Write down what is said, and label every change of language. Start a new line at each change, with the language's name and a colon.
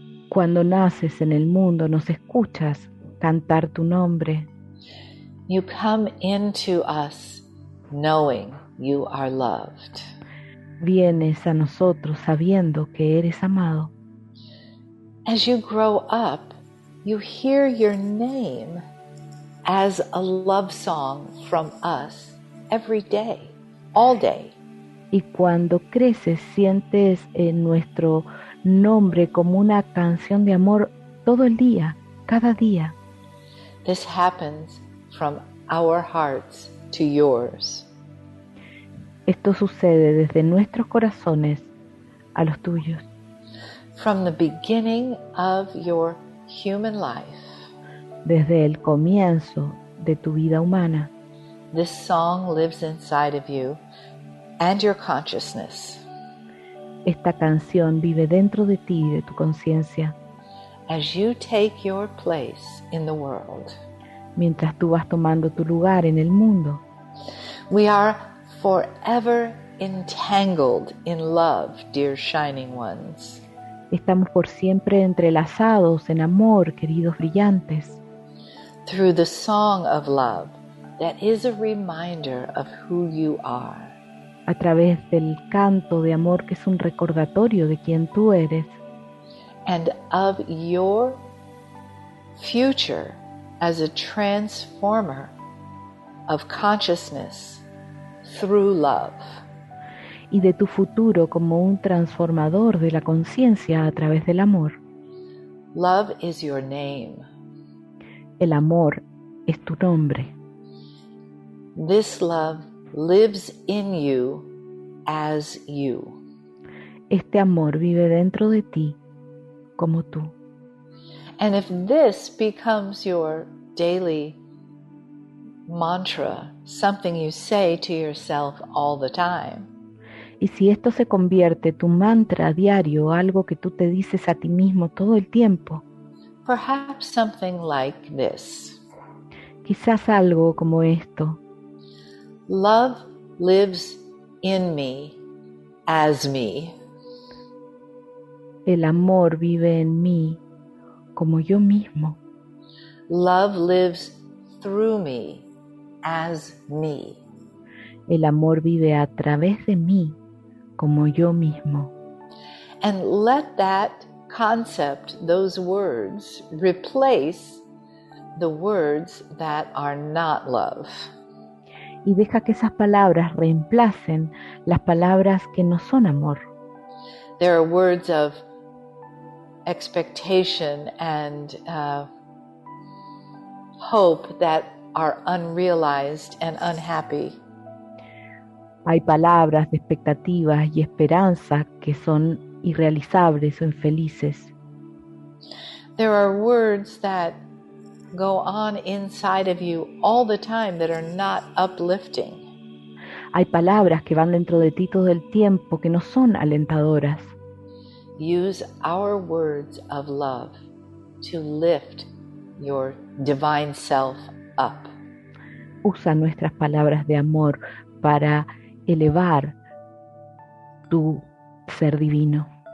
Spanish: Cuando naces en el mundo, nos escuchas cantar tu nombre.
English: You come into us knowing you are loved.
Spanish: Vienes a nosotros sabiendo que eres amado.
English: As you grow up, you hear your name as a love song from us every day, all day.
Spanish: Y cuando creces, sientes en nuestro nombre como una canción de amor todo el día, cada día.
English: This happens from our hearts to yours.
Spanish: Esto sucede desde nuestros corazones a los tuyos.
English: From the beginning of your human life.
Spanish: Desde el comienzo de tu vida humana.
English: This song lives inside of you and your consciousness.
Spanish: Esta canción vive dentro de ti y de tu conciencia.
English: As you take your place in the world.
Spanish: Mientras tú vas tomando tu lugar en el mundo.
English: We are forever entangled in love, dear shining ones.
Spanish: Estamos por siempre entrelazados en amor, queridos brillantes.
English: Through the song of love that is a reminder of who you are.
Spanish: A través del canto de amor que es un recordatorio de quién tú eres.
English: And of your future as a transformer of consciousness through love.
Spanish: Y de tu futuro como un transformador de la conciencia a través del amor.
English: Love is your name.
Spanish: El amor es tu nombre.
English: This love lives in you as you.
Spanish: Este amor vive dentro de ti como tú.
English: And if this becomes your daily mantra, something you say to yourself all the time.
Spanish: Y si esto se convierte tu mantra diario, algo que tú te dices a ti mismo todo el tiempo.
English: Perhaps something like this.
Spanish: Quizás algo como esto.
English: Love lives in me as me.
Spanish: El amor vive en mí como yo mismo.
English: Love lives through me as me.
Spanish: El amor vive a través de mí como yo mismo.
English: And let that concept, those words, replace the words that are not love.
Spanish: Y deja que esas palabras reemplacen las palabras que no son amor.
English: There are words of expectation and hope that are unrealized and unhappy.
Spanish: Hay palabras de expectativas y esperanza que son irrealizables o infelices.
English: There are words that go on inside of you all the time that are not uplifting.
Spanish: Hay palabras que van dentro de ti todo el tiempo que no son alentadoras.
English: use our words of love to lift your divine self up.
Spanish: Usa nuestras palabras de amor para elevar tu ser divino.